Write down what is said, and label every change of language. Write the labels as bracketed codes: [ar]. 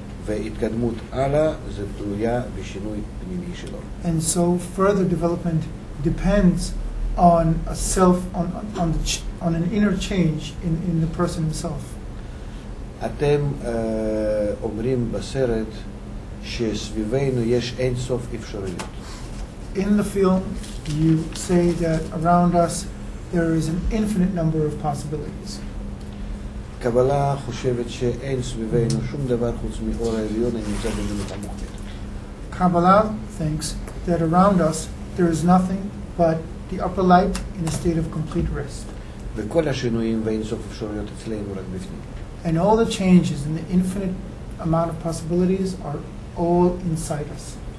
[en] And so further development depends on a self, on an inner change in the person himself. [he] אתם אומרים בסרט שסביבנו יש אינסוף אפשרויות. [en] In the film, you say that around us there is an infinite number of possibilities. [he] קבלה חושבת שאין סביבנו שום דבר חוץ מאור העליון הנמצא במילות המוחלט. [en] Kabbalah thinks that around us there is nothing but the upper light in a state of complete rest. [he] וכל השינויים ואינסוף אפשרויות אצלנו רק בפנים. [en] And all the changes and the infinite amount of possibilities are all inside us.